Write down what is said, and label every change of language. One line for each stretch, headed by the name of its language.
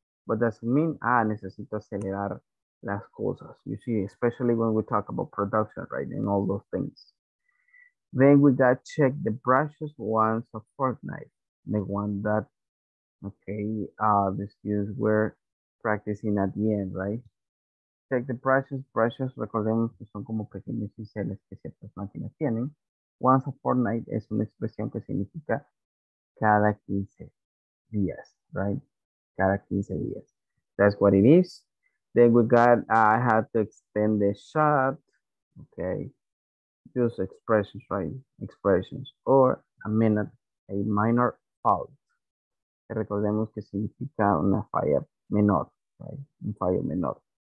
English: But does it mean,
Spanish: necesito acelerar las cosas.
English: You see, especially when we talk about production, right? And all those things. Then we got to check the brushes once a fortnight, the one that. Okay, the students were practicing at the end, right? Check the brushes.
Spanish: Brushes, recordemos que son como pequeños cinceles que ciertas máquinas tienen.
English: Once a fortnight
Spanish: es una expresión que significa cada 15 días, right? Cada 15 días.
English: That's what it is. Then we got, I had to extend the shot. Okay. Just expressions, right? Expressions. Or a minor fault.
Spanish: Recordemos que significa una falla menor, right? Un fallo menor.